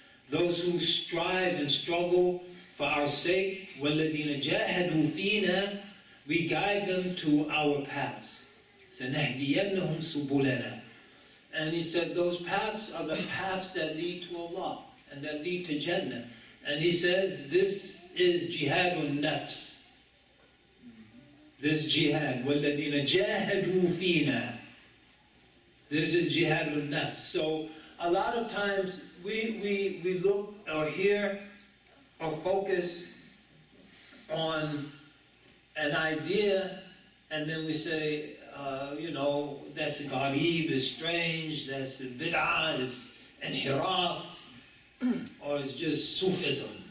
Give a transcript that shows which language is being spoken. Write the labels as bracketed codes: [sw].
[en] Those who strive and struggle for our sake, [ar] وَالَّذِينَ جَاهَدُوا فِيهَا, [en] we guide them to our paths. [ar] سَنَهْدِيَنَّهُمْ سُبُلَنَا. [en] And he said those paths are the paths that lead to Allah and that lead to Jannah. And he says this is jihadun nafs. This jihad, [ar] وَالَّذِينَ جَاهَدُوا فِينَا. [en] This is jihad with nafs. So a lot of times we look or hear or focus on an idea and then we say, that's gharib, is strange, that's bid'ah, is inhiraf, or it's just Sufism.